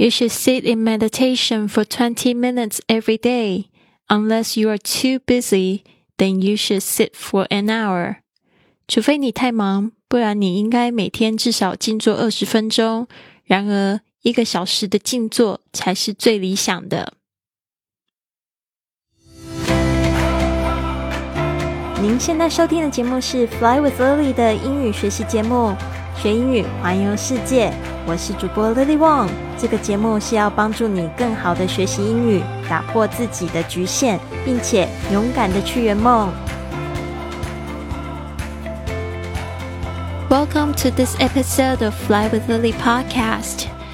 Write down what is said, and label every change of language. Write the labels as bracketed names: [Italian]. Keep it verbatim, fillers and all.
[English] You should sit in meditation for twenty minutes every day. Unless you are too busy, then you should sit for an hour. [Chinese] 除非你太忙，不然你应该每天至少静坐二十分钟。然而，一个小时的静坐才是最理想的。您现在收听的节目是 Fly with Lily 的英语学习节目，学英语环游世界。我是主播 Lily Wong。这个节目是要帮助你更好的学习英语，打破自己的局限，并且勇敢的去圆梦。 [English] Welcome to this episode of Fly with Lily podcast。